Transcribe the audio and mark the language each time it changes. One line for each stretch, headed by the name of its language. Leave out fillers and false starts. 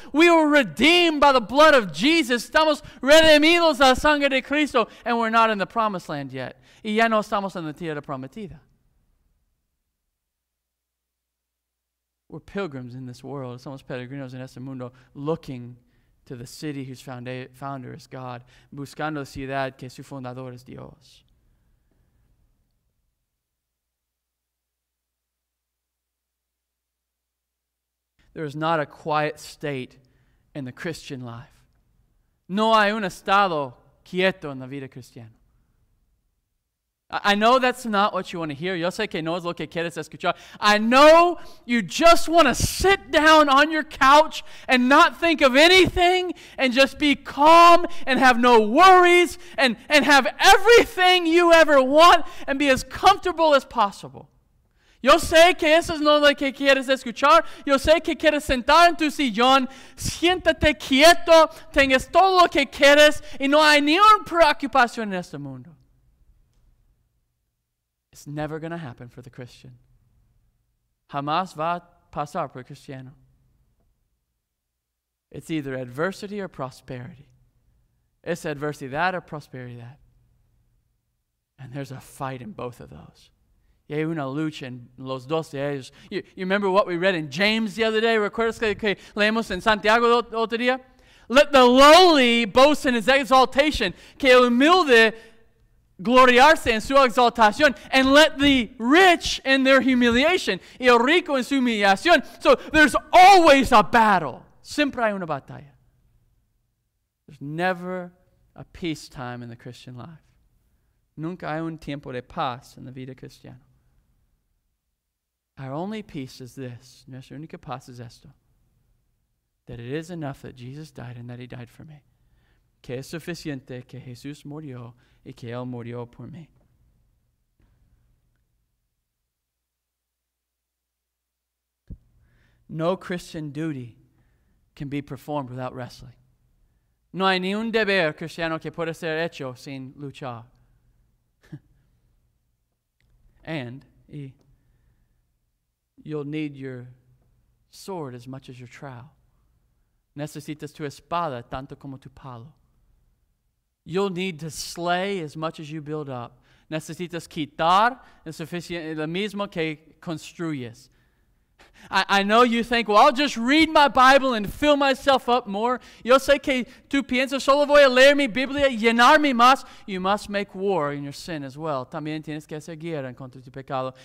English: We were redeemed by the blood of Jesus.
Spanish: Estamos redimidos a la sangre de Cristo.
English: And we're not in the promised land yet.
Spanish: Y ya no estamos en la tierra prometida.
English: We're pilgrims in this world.
Spanish: Somos peregrinos en este mundo
English: looking to the city whose founder is God,
Spanish: buscando la ciudad que su fundador es Dios.
English: There is not a quiet state in the Christian life.
Spanish: No hay un estado quieto en la vida cristiana.
English: I know that's not what you want to hear.
Spanish: Yo sé que no es lo que quieres escuchar.
English: I know you just want to sit down on your couch and not think of anything and just be calm and have no worries and have everything you ever want and be as comfortable as possible.
Spanish: Yo sé que eso es no lo que quieres escuchar. Yo sé que quieres sentar en tu sillón. Siéntate quieto. Tengas todo lo que quieres. Y no hay ni una preocupación en este mundo.
English: It's never going to happen for the Christian.
Spanish: Jamás va a pasar por el cristiano.
English: It's either adversity or prosperity. It's adversity that or prosperity that. And there's a fight in both of those.
Spanish: Y hay una lucha en los dos de ellos.
English: You remember what we read in James the other day?
Spanish: ¿Recuerdas que leemos en Santiago el otro día?
English: Let the lowly boast in his exaltation.
Spanish: Que el humilde gloriarse en su exaltación.
English: And let the rich in their humiliation.
Spanish: Y el rico en su humillación.
English: So there's always a battle.
Spanish: Siempre hay una batalla.
English: There's never a peace time in the Christian life.
Spanish: Nunca hay un tiempo de paz en la vida cristiana.
English: Our only peace is this.
Spanish: Nuestra única paz es esto.
English: That it is enough that Jesus died and that he died for me.
Spanish: Que es suficiente que Jesús murió y que él murió por mí.
English: No Christian duty can be performed without wrestling.
Spanish: No hay ni un deber cristiano que pueda ser hecho sin luchar.
English: And you'll need your sword as much as your trowel.
Spanish: Necesitas tu espada tanto como tu palo.
English: You'll need to slay as much as you build up.
Spanish: Necesitas quitar lo mismo que construyes.
English: I know you think, well, I'll just read my Bible and fill myself up more.
Spanish: Yo sé que tú piensas, solo voy a leer mi Biblia, llenarme más.
English: You must make war in your sin as well.
Spanish: También tienes que hacer guerra contra tu pecado.